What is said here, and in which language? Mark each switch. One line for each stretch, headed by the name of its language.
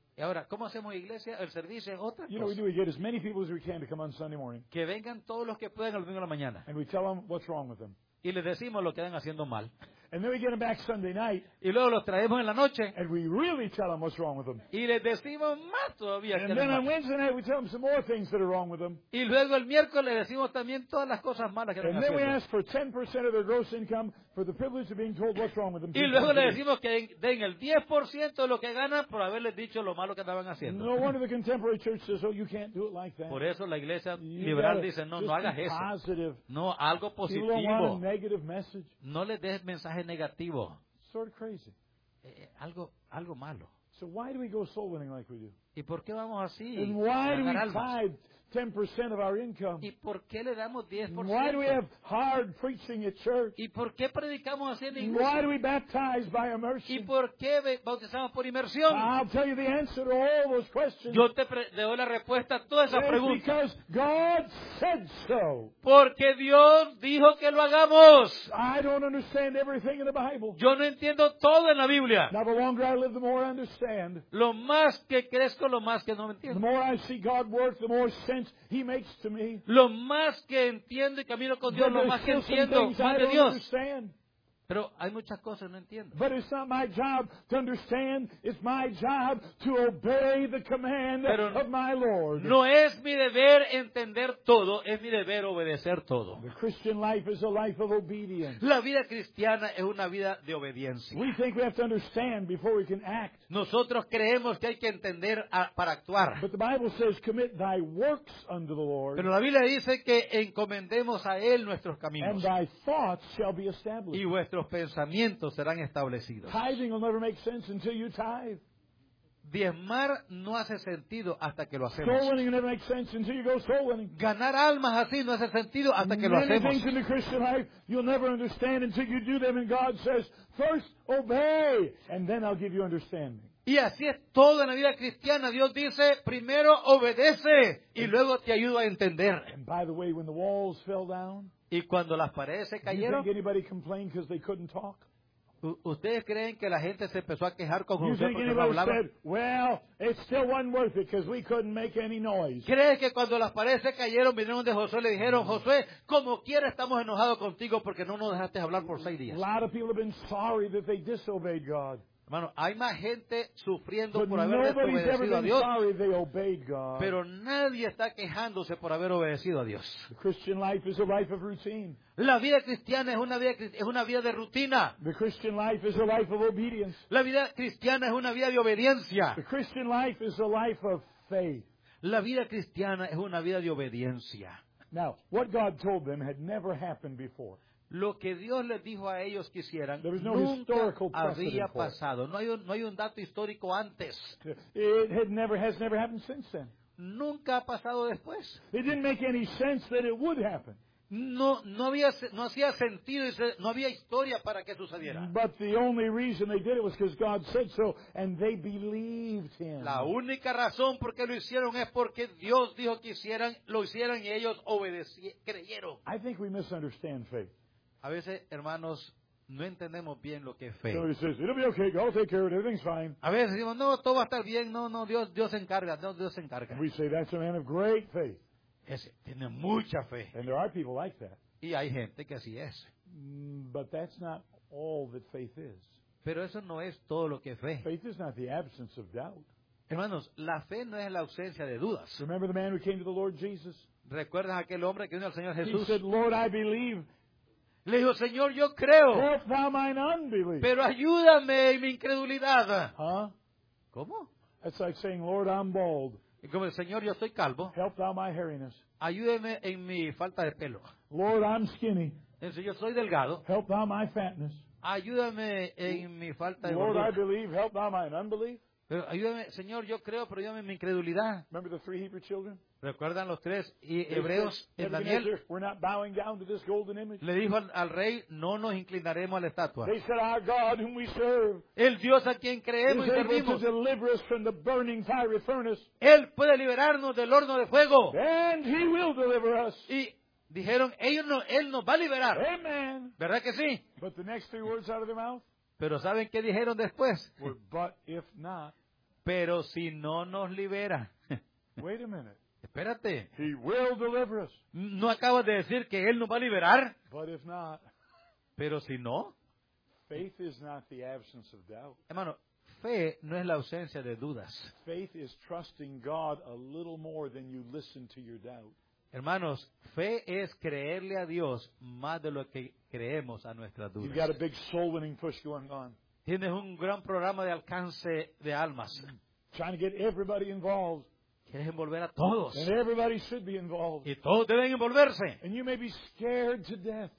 Spanish: Y ahora, ¿cómo hacemos iglesia? El servicio es otra cosa.
English: You know, we get as many people as we can to come on Sunday morning.
Spanish: Que vengan todos los que puedan el domingo de la mañana.
English: And we tell them what's wrong with them.
Spanish: Y les decimos lo que están haciendo mal.
English: And then we get them back Sunday night.
Spanish: Y luego los traemos en la noche.
English: And we really tell them what's wrong with them.
Spanish: Y les decimos más todavía.
English: And then on Wednesday night we tell them some more things that are wrong with them.
Spanish: Y luego el miércoles les decimos también todas las cosas malas que están haciendo.
English: And then we ask for 10% of their gross income for the privilege of being told what's wrong with them.
Spanish: Y luego les decimos que den el 10% de lo que ganan por haberles dicho lo malo que estaban haciendo.
English: No wonder the contemporary church says, oh, you can't do it like that.
Spanish: Por eso la iglesia liberal dice, no hagas eso.
English: Positive.
Spanish: No, algo positivo.
English: You don't want a negative message.
Spanish: No les des mensaje negativo.
English: Sort of crazy.
Spanish: Algo malo.
English: So why do we go soul winning like we do?
Spanish: ¿Y por qué vamos así?
English: And why do we tithe 10% of our income?
Spanish: ¿Y por qué le damos 10%?
English: Why do we have hard preaching at church?
Spanish: ¿Y por qué predicamos así en iglesia?
English: Why do we baptize by immersion?
Spanish: ¿Y por qué bautizamos por inmersión?
English: I'll tell you the answer to all those questions.
Spanish: Yo te doy la respuesta a todas esas preguntas.
English: Because God said so.
Spanish: Porque Dios dijo que lo hagamos.
English: I don't understand everything in the Bible.
Spanish: Yo no entiendo todo en la Biblia.
English: Now, the longer I live, the more I understand.
Spanish: Lo más que crezco, lo más que no entiendo.
English: The more I see God work, the more sense he makes to me.
Spanish: Lo más que entiendo y camino con Dios,
English: but
Spanish: lo más que entiendo, más de Dios.
English: Understand.
Spanish: Pero hay muchas cosas que no entiendo.
English: But it's not my job to understand. It's my job to obey the command
Spanish: pero
English: of my Lord.
Spanish: No es mi deber entender todo, es mi deber obedecer todo.
English: The Christian life is a life of obedience.
Spanish: La vida cristiana es una vida de obediencia.
English: We think we have to understand before we can act.
Spanish: Nosotros creemos que hay que entender para actuar.
English: But the Bible says, commit thy works unto the Lord.
Spanish: Pero la Biblia dice que encomendemos a Él nuestros caminos.
English: And thy thoughts shall be established.
Spanish: Vuestros pensamientos serán establecidos.
English: Tithing will never make sense until you tithe.
Spanish: Diezmar no hace sentido hasta que lo hacemos.
English: Soul winning never makes sense until you go soul winning.
Spanish: Ganar almas así no hace sentido hasta que lo hacemos.
English: Many things in the Christian life you'll never understand until you do them and God says, first obey and then I'll give you understanding.
Spanish: Y así es todo en la vida cristiana. Dios dice, primero obedece y luego te ayudo a entender.
English: And by the way, when the walls fell down,
Spanish: y cuando las paredes se cayeron,
English: you think anybody complained because they couldn't talk?
Spanish: ¿Ustedes creen que la gente se empezó a quejar con
English: you
Spanish: usted porque no hablaba?
English: Said, well, it still wasn't worth it because we couldn't make any noise.
Spanish: ¿Crees que cuando las paredes se cayeron vinieron de Josué y le dijeron, Josué, como quiera estamos enojados contigo porque no nos dejaste hablar por 6 días?
English: A lot of people have been sorry that they disobeyed God.
Spanish: Hermano, hay más gente sufriendo
English: but
Spanish: por haber desobedecido a Dios.
English: Sorry they obeyed God.
Spanish: Pero nadie está quejándose por haber obedecido a Dios.
English: The Christian life is a life of routine.
Spanish: La vida cristiana es una vida de rutina.
English: The Christian life is a life of obedience.
Spanish: La vida cristiana es una vida de obediencia.
English: The Christian life is a life of faith.
Spanish: La vida cristiana es una vida de obediencia.
English: Now, what God told them had never happened before.
Spanish: Lo que Dios les dijo a ellos que hicieran no nunca había pasado. No hay un dato histórico antes.
English: It has never happened since then.
Spanish: nunca ha pasado después.
English: It didn't make any sense that it would happen.
Spanish: No hacía sentido, no había historia para que sucediera.
English: But the only reason they did it was because God said so, and they believed him.
Spanish: La única razón por qué lo hicieron es porque Dios dijo que hicieran, lo hicieran, y ellos creyeron.
English: I think we misunderstand faith.
Spanish: A veces, hermanos, no entendemos bien lo que es fe.
English: Somebody says, it'll be okay, I'll take care of it, everything's fine.
Spanish: A veces decimos, no, todo va a estar bien, no, Dios se encarga, Dios se encarga.
English: We say, that's a man of great faith.
Spanish: Ese tiene mucha fe.
English: And there are people like that.
Spanish: Y hay gente que así es.
English: But that's not all that faith is.
Spanish: Pero eso no es todo lo que es fe.
English: Faith is not the absence of doubt.
Spanish: Hermanos, la fe no es la ausencia de dudas.
English: Remember the man who came to the Lord Jesus?
Spanish: ¿Recuerdas aquel hombre que vino al Señor Jesús?
English: He said, Lord, I believe.
Spanish: Le dijo, Señor, yo creo.
English: Help thou mine unbelief.
Spanish: Pero ayúdame en mi incredulidad.
English: Huh?
Spanish: ¿Cómo?
English: It's like saying, Lord, I'm bald.
Spanish: Y como el Señor, yo estoy calvo.
English: Help thou my hairiness.
Spanish: Ayúdeme en mi falta de pelo.
English: Lord, I'm skinny.
Spanish: Entonces, yo soy delgado.
English: Help thou my fatness.
Spanish: Ayúdeme en mi falta de
English: gordura. Lord, I believe. Help thou my unbelief.
Spanish: Pero ayúdame, Señor, yo creo, pero ayúdame en mi incredulidad.
English: Remember the three Hebrew children?
Spanish: ¿Recuerdan los tres hebreos en Daniel?
English: We're not bowing down to this golden image.
Spanish: Le dijo al rey, no nos inclinaremos a la estatua.
English: They said, our God whom we serve,
Spanish: el Dios a quien creemos y servimos,
English: deliver us from the burning fiery furnace.
Spanish: Él puede liberarnos del horno de fuego.
English: And he will deliver us.
Spanish: Y dijeron, él nos va a liberar.
English: Amen.
Spanish: ¿Verdad que sí?
English: But the next three words out of their mouth,
Spanish: pero ¿saben qué dijeron después?
English: Well, but if not,
Spanish: pero si no nos libera.
English: Wait a minute.
Spanish: Espérate.
English: He will deliver us.
Spanish: ¿No acabas de decir que Él nos va a liberar?
English: But if not,
Spanish: pero si no.
English: Faith is not the absence of doubt.
Spanish: Hermano, fe no es la ausencia de dudas.
English: Faith is trusting God a little more than you listen to your doubt.
Spanish: Hermanos, fe es creerle a Dios más de lo que creemos a nuestras dudas.
English: You've got a big soul-winning push going on.
Spanish: Tienes un gran programa de alcance de almas.
English: Trying to get everybody involved.
Spanish: Quieres envolver a todos.
English: And everybody should be involved.
Spanish: Y todos deben envolverse.
English: And you may be scared to death.